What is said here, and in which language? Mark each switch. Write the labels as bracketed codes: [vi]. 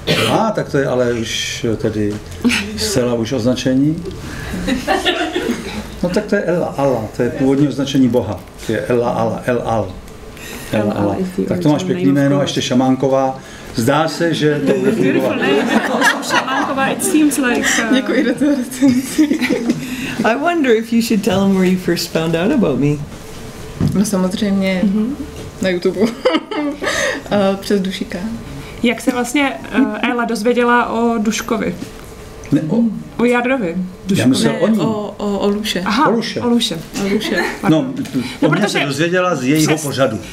[cs] A tak to je ale už tedy zcela už označení. No tak to je Ela, Ala, to je původní označení Boha. To je Ela, Ala, El, Al. El, Ala. Tak to máš pěkný jméno, ještě Šamánková. Zdá se, že to bude fungovat. [en] Šamánková, it seems like... [cs] Děkuji za to recenzi. [en] I wonder if you should tell them where you first found out about me. [cs] No samozřejmě na YouTube. Přes Dušika. Jak se vlastně Ela dozvěděla o Duškovi? Ne, o Jardovi. Já myslel o ní. O Luše. Aha, o Luše. No, o mě se dozvěděla z jejího pořadu.